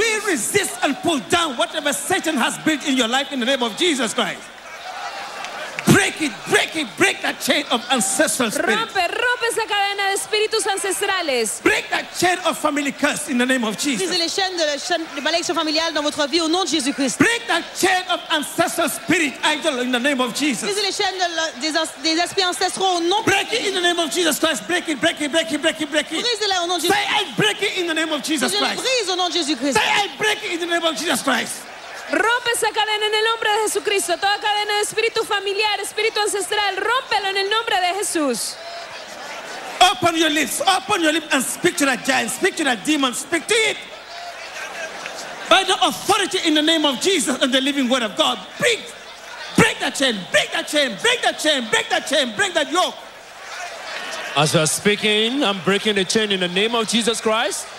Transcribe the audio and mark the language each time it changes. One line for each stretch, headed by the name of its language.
English: We resist and pull down whatever Satan has built in your life in the name of Jesus Christ. Break it, break it, break that chain of ancestral spirit.
Spanish: Rompe, rompe esa cadena de espíritus ancestrales.
English: Break that chain of family curse in the name of Jesus.
French: Brisez les chaînes de malédiction familiale dans votre vie au nom de Jésus Christ.
English: Break that chain of ancestral spirit idol in the name of Jesus.
French: Brisez les chaînes des esprits ancestraux au nom.
English: Break it in the name of Jesus Christ. Break it, break it, break it, break it, break it.
French: Brisez-les au nom de Jésus.
English: Say I break it in the name of Jesus Christ.
French: Brisez au nom de Jésus Christ.
English: Say I break it in the name of Jesus Christ.
Spanish: Rompe esa cadena en el nombre de Jesucristo. Toda cadena de espíritu familiar, espíritu ancestral, rómpelo en el nombre de Jesús.
English: Open your lips. Open your lips and speak to that giant. Speak to that demon. Speak to it. By the authority in the name of Jesus and the living word of God. Break. Break that chain. Break that chain. Break that chain. Break that chain. Break that yoke. As you are speaking, I'm breaking the chain in the name of Jesus Christ.